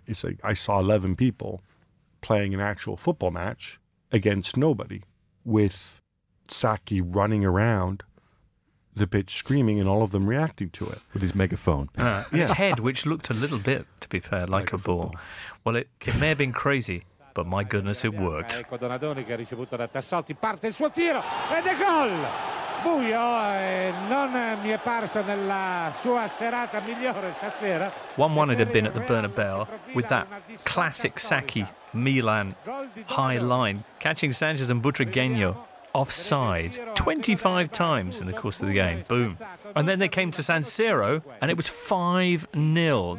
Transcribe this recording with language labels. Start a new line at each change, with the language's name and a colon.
English: It's like I saw 11 people playing an actual football match against nobody with Sacchi running around the pitch screaming and all of them reacting to it. With his megaphone. His head, which looked a little bit, to be fair, like a ball. Well, it may have been crazy, but my goodness, it worked.
Italian: Ecco Donadoni che ha ricevuto da Tassotti, parte il suo tiro ed è gol! Buio e non mi è parso nella sua serata migliore stasera.
English: 1-1 it had been at the Bernabeu with that classic Sacchi Milan high line, catching Sanchez and Butragueño offside 25 times in the course of the game. Boom. And then they came to San Siro and it was 5-0.